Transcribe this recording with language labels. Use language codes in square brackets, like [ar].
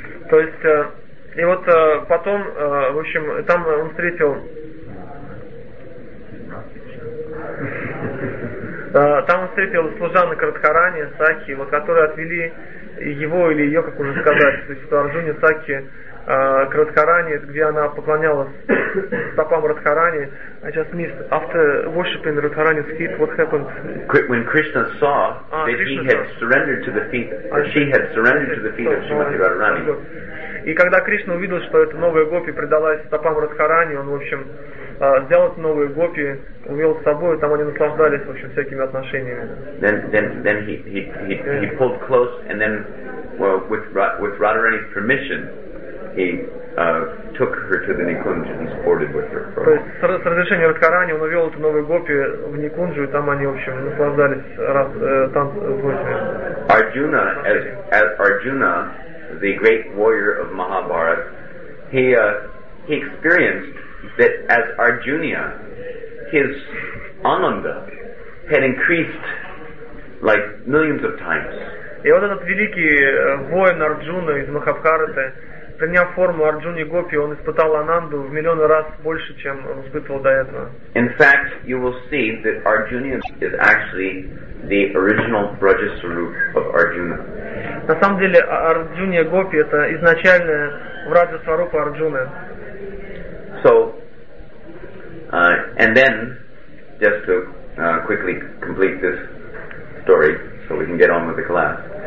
[ru] То есть и вот потом в общем там он встретил служанок Радхарани, Сакхи, вот которые отвели его или ее, как уже сказать, то есть Арджуна Сакхи. К Радхарани, где она поклонялась стопам Радхарани. [en] I just missed. After worshipping Radharani's feet, what happened? When Krishna saw that he had surrendered to the feet, or she had surrendered to the feet of Srimati Radharani. [ru] И когда Кришна увидел, что эта новая гопи предалась стопам Радхарани, он, в общем, взял эту новую гопи, увел с собой, там они наслаждались, в общем, всякими отношениями. [en] Then he pulled close, and then, well, with Radharani's permission, he took her to the Nikunja and sported with her. [ru] То есть с разрешения Радхарани он увел эту новую гопи в Никунджу, и там они, в общем, наслаждались танцами. [en] Arjuna, as Arjuna, the great warrior of Mahabharata, he experienced that as Arjuna, his ananda had increased like millions of times. [ru] И вот этот великий воин Арджуна из Махабхараты, приняв форму Арджуны Гопи, он испытал ананду в миллионы раз больше, чем он испытывал до этого. [en] In fact, you will see that Arjuna is actually the original Brajasvarup of Arjuna. [ru] На самом деле, Арджуна Гопи это изначальное Враджасварупа Арджуны. [en] So, and then, just to quickly complete this story, so we can get on with the class.